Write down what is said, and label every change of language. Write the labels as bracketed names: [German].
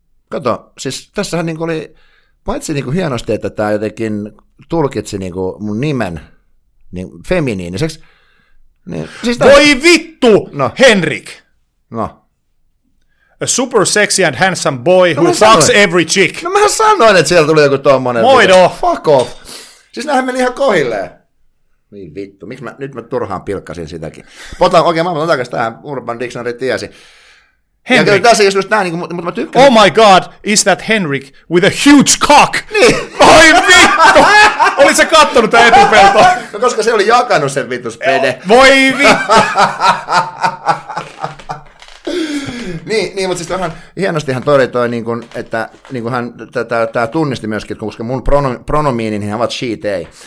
[Finnish] Kato, siis tässähän niinku oli paitsi niinku hienosti, että tämä jotenkin tulkitsi niinku mun nimen niin feminiiniseksi. Niin, siis voi vittu, no. Henrik! No. [English] A super sexy and handsome boy who fucks every chick. [Finnish] No mähän sanoin, että siellä tuli joku tommonen. Moido! [English] Fuck off! [Finnish] Siis näähän meni ihan kohilleen. Niin vittu, miksi nyt mä turhaan pilkkasin sitäkin. Okei, mä otan takaisin tähän Urban Dictionary tiesi. Henrik. Ja tässä just näin, mutta mä tykkään. [English] Oh my god, is that Henrik with a huge cock? [Finnish] Niin. Ai vittu, olit sä kattonut tämän etupeltoon? No koska se oli jakanut sen vittuspede. Voi vittu. Niin, mutta siis vähän hienostihan toi toi, niin kun, että niin kun hän tää tunnisti myöskin, että koska mun pronomiini, niin hän ovat she, they.